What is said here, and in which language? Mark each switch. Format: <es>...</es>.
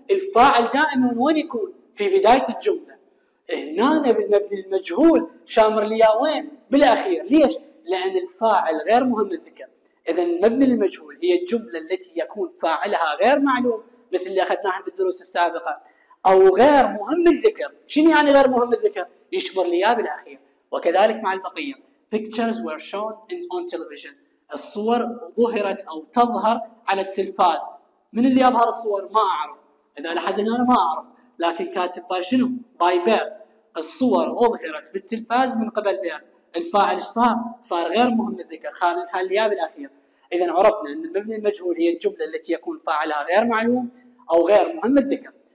<ar>الفاعل دائما وين يكون؟ في بدايه الجمله. هنا بالمبني للمجهول شامر لي اياه وين؟ بالاخير. ليش؟ لان الفاعل غير مهم الذكر. إذا المبني للمجهول هي الجملة التي يكون فاعلها غير معلوم مثل اللي أخذناها بالدروس السابقة، أو غير مهم الذكر. شنو يعني غير مهم الذكر؟ يشمر لي إياه بالأخير. وكذلك مع البقية.</ar> <en>Pictures were shown on television.</en> <ar>الصور ظهرت أو تظهر على التلفاز. من اللي أظهر الصور؟ ما أعرف. إذا لحد أنا ما أعرف. لكن كاتب باي شنو؟ باي بير. الصور أظهرت بالتلفاز من قبل بير. الفاعل إيش صار؟ صار غير مهم الذكر. خال لي إياه بالأخير. إذا عرفنا أن المبني المجهول هي الجملة التي يكون فاعلها غير معلوم أو غير مهم الذكر.</ar>